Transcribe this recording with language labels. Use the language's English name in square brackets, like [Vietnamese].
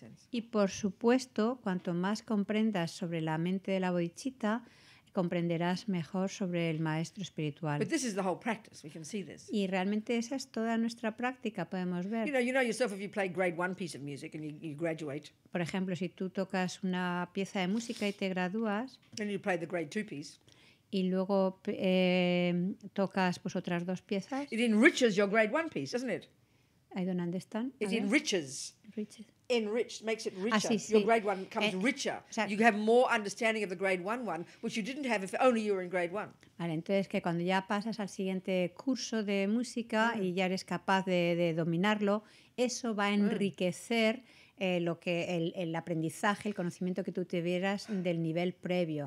[Spanish] Y por supuesto, cuanto más comprendas sobre la mente de la bodhicitta, comprenderás mejor sobre el maestro espiritual. [English] But this is the whole practice. We can see this. [Spanish] Y realmente esa es toda nuestra práctica, podemos ver. [English] You know yourself if you play grade one piece of music and you graduate. [Spanish] Por ejemplo, si tú tocas una pieza de música y te gradúas. [English] And you play the grade two piece. [Spanish] Y luego tocas pues otras dos piezas. [English] It enriches your grade one piece, doesn't it? I don't understand. It enriches. Enriched makes it richer. [Spanish] Ah, sí. [English] Your grade one comes richer. [Spanish] O sea, [English] you have more understanding of the grade one, which you didn't have if only you were in grade one. [Spanish] Vale, entonces que cuando ya pasas al siguiente curso de música y ya eres capaz de dominarlo, eso va a enriquecer lo que el aprendizaje, el conocimiento que tú tuvieras del nivel previo.